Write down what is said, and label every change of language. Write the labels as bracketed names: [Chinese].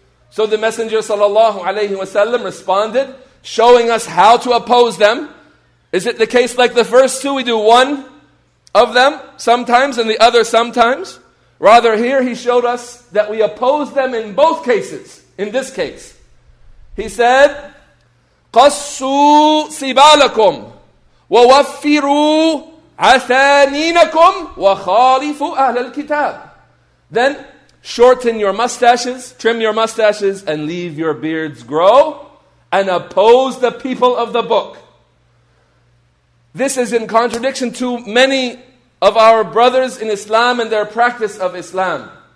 [English] So the Messenger [Arabic] sallallahu alayhi wa sallam [English] responded, showing us how to oppose them. Is it the case like the first two? We do one of them sometimes and the other sometimes. Rather here, he showed us that we oppose them in both cases, in this case. [Arabic] He said, قَصُّوا سِبَالَكُمْ وَوَفِّرُوا عَثَانِينَكُمْ وَخَالِفُوا أَهْلَ الْكِتَابِ. [English] Then shorten your mustaches, trim your mustaches, and leave your beards grow, and oppose the people of the book. This is in contradiction to many of our brothers in Islam and their practice of Islam.